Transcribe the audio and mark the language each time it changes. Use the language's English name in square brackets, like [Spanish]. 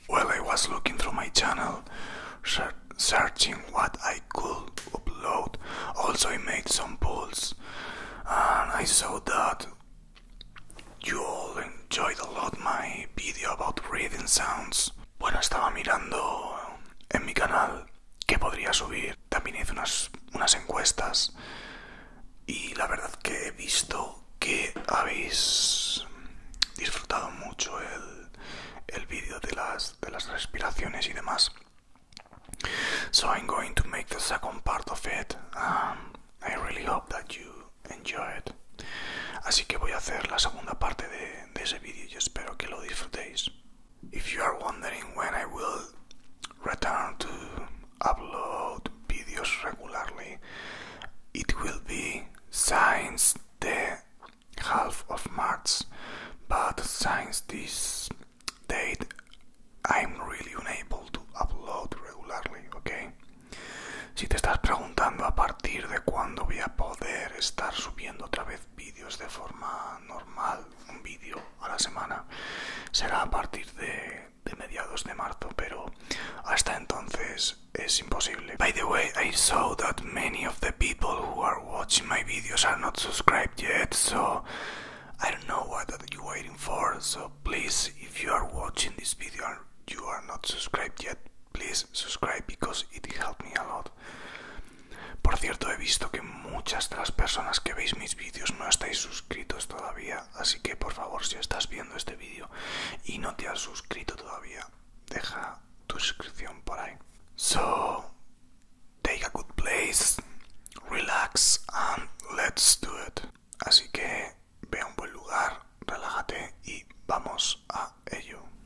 [English] Well, I was looking through my channel, searching what I could upload. Also, I made some polls and I saw that you all enjoyed a lot my video about breathing sounds. [Spanish] Bueno, estaba mirando en mi canal qué podría subir. También hice unas encuestas y la verdad que he visto que habéis disfrutado mucho el vídeo de las respiraciones y demás. [English] So I'm going to make the second part of it. I really hope that you enjoy it. [Spanish] Así que voy a hacer la segunda parte de ese vídeo y espero que lo disfrutéis. [English] If you are wondering when I will return to upload videos regularly, it will be since the half of March, but since this date I'm really unable to upload regularly, okay? [Spanish] Si te estás preguntando a partir de cuándo voy a poder estar subiendo otra vez vídeos de forma normal, un vídeo a la semana, será a partir de mediados de marzo, pero hasta entonces es imposible. [English] By the way, I saw that many of the people who are watching my videos are not subscribed yet, so I don't know what are you waiting for, so please, if you are watching this video and you are not subscribed yet, please subscribe because it helped me a lot. [Spanish] Por cierto, he visto que muchas de las personas que veis mis vídeos no estáis suscritos todavía, así que por favor, si estás viendo este vídeo y no te has suscrito todavía, deja tu suscripción por ahí. [English] So, take a good place, relax and let's do it. [Spanish] Así que ve a un buen lugar, relájate y vamos a ello.